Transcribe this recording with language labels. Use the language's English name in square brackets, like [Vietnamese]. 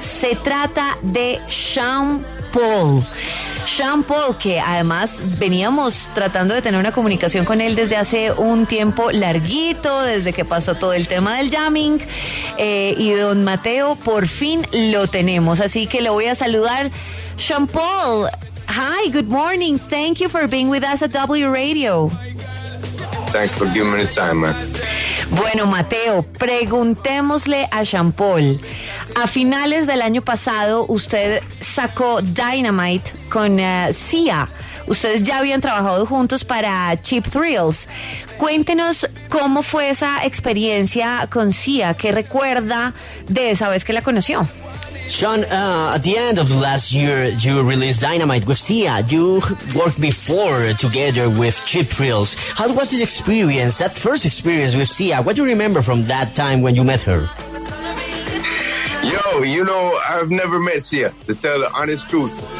[Spanish] Se trata de Sean Paul. Sean Paul, que además veníamos tratando de tener una comunicación con él desde hace un tiempo larguito, desde que pasó todo el tema del jamming, y don Mateo, por fin lo tenemos, así que lo voy a saludar. [English] Sean Paul, hi, good morning, thank you for being with us at W Radio. Thanks for giving me the time, man. [Spanish] Bueno, Mateo, preguntémosle a Sean Paul. A finales del año pasado, usted sacó Dynamite con Sia. Ustedes ya habían trabajado juntos para Cheap Thrills. Cuéntenos cómo fue esa experiencia con Sia. ¿Qué recuerda de esa vez que la conoció? [English] Sean, at the end of last year, you released Dynamite with Sia. You worked before together with Cheap Thrills. How was this experience, that first experience with Sia? What do you remember from that time when you met her? Yo, you know, I've never met Sia, to tell the honest truth.